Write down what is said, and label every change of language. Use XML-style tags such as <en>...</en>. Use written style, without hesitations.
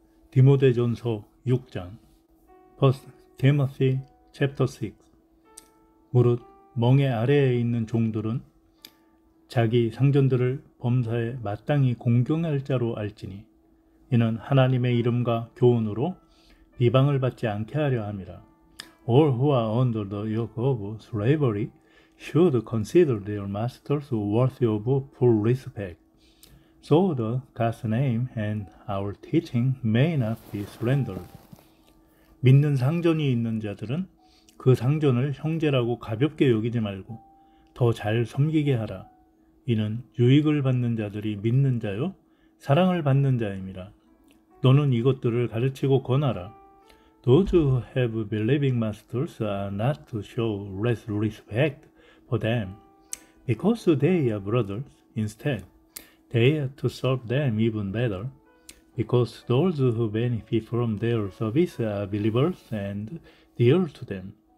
<ko>디모데전서 6장 1 데모시 챕터 6 무릇 멍에 아래에 있는 종들은 자기 상전들을 범사에 마땅히 공경할 자로 알지니 이는 하나님의 이름과 교훈으로 비방을 받지 않게 하려 함이라.</ko> <en>All who are under the yoke of slavery should consider their masters worthy of full respect. So the God's name and our teaching may not be slandered.</en> <ko>믿는 상전이 있는 자들은 그 상전을 형제라고 가볍게 여기지 말고 더잘 섬기게 하라. 이는 유익을 받는 자들이 믿는 자요, 사랑을 받는 자임이라. 너는 이것들을 가르치고 권하라.</ko> <en>Those who have believing masters are not to show less respect for them, because they are brothers. Instead, they are to serve them even better, because those who benefit from their service are believers and dear to them.</en>